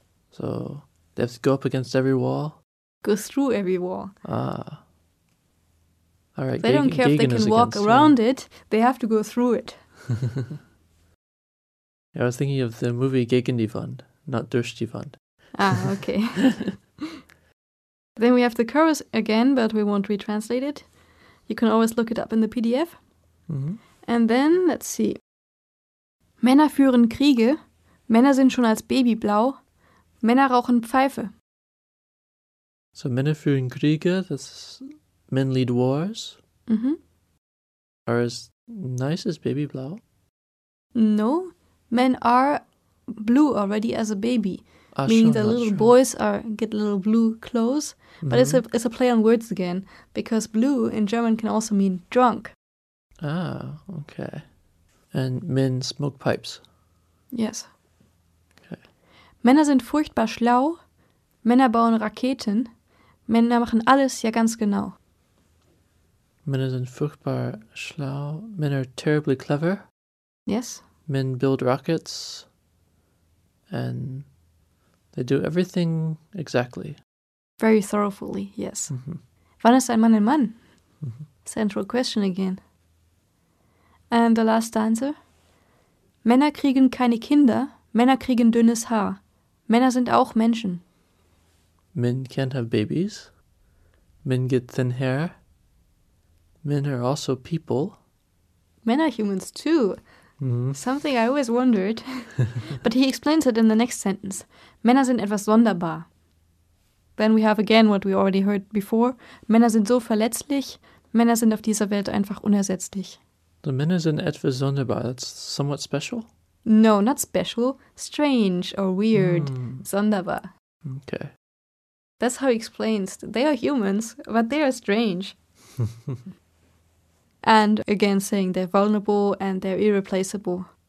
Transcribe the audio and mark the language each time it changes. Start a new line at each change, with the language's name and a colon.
English: So they have to go up against every wall? Go through every wall. Ah. All right. They don't care if they can walk around it. They have to go through it. Yeah, I was thinking of the movie Gegen die Wand, not Durch die Wand. Ah, okay. Then we have the chorus again, but we won't retranslate it. You can always look it up in the PDF. Mm-hmm. And then, let's see.
German: Männer führen Kriege. Männer sind schon als Baby blau. Männer rauchen Pfeife.
English: So
German: Männer führen Kriege,
English: that's men lead wars, mm-hmm. are as nice as baby blau? No, men are blue already as a baby, meaning the little boys are get little blue clothes. Mm-hmm. But it's a play on words again, because blue in German can also mean drunk. Ah, okay. And men smoke pipes. Yes. Okay.
German: Männer sind furchtbar schlau, Männer bauen Raketen. Männer machen alles ja ganz genau. Männer sind furchtbar schlau.
English: Männer are terribly clever. Yes. Men build rockets. And they do everything exactly. Very thoroughly, yes. Mm-hmm.
German: Wann ist ein Mann?
English: Mm-hmm. Central question again. And the last answer.
German: Männer kriegen keine Kinder. Männer kriegen dünnes Haar. Männer sind auch Menschen.
English: Men can't have babies. Men get thin hair. Men are also people. Men are humans too. Mm-hmm. Something I always wondered. But he explains it in the next sentence.
German: Männer sind etwas sonderbar.
English: Then we have again what we already heard before.
German: Männer sind so verletzlich. Männer sind auf dieser Welt einfach unersetzlich. So Männer sind etwas sonderbar.
English: That's somewhat special? No, not special. Strange or weird. Mm. Sonderbar. Okay. That's how he explains. They are humans, but they are strange. And again saying they're vulnerable and they're irreplaceable.